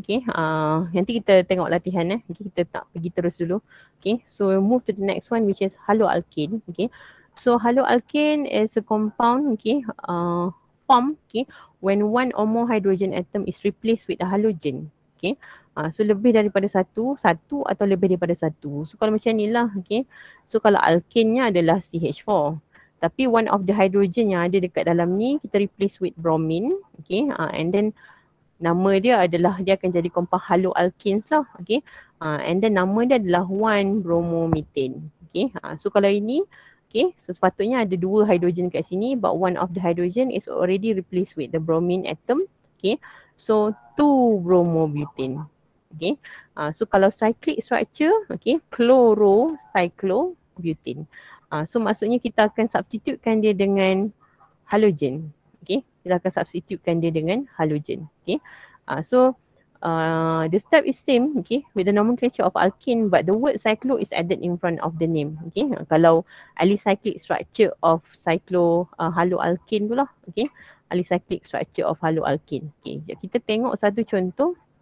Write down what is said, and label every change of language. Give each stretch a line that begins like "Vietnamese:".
Malay: Okay, nanti kita tengok latihan eh. Okay, kita tak pergi terus dulu.
English: Okay, so we move to the next one, which is haloalkane. Okay, so haloalkane is a compound. Okay, form. Okay, when one or more hydrogen atom is replaced with a halogen.
Malay: Okay, so lebih daripada satu, satu atau lebih daripada satu. So kalau macam ni lah. Okay, so kalau alkane-nya adalah CH4. Tapi
English: one of the hydrogen
Malay: yang ada dekat dalam ni, kita
English: replace with bromine.
Malay: Okay,
English: and then
Malay: nama dia adalah, dia akan jadi compound haloalkanes lah. Okay,
English: and then
Malay: nama dia adalah 1-bromomethane.
English: Okay, so
Malay: kalau ini,
English: okay, so
Malay: sepatutnya ada dua hydrogen kat sini,
English: but one of the hydrogen is already replaced with the bromine atom. Okay, so 2-bromobutane. Okay, so kalau cyclic structure, okay, chlorocyclobutane.
Malay: So maksudnya kita akan substitutekan dia dengan halogen. Okay, kita akan substitutekan dia dengan halogen.
English: Okay, so the step is same, okay, with the nomenclature of alkene, but the word cyclo is added in front of the name. Okay, kalau alicyclic structure of cyclo haloalkane tu lah. Okay, alicyclic structure of haloalkane. Okay,
Malay: jap kita tengok satu contoh.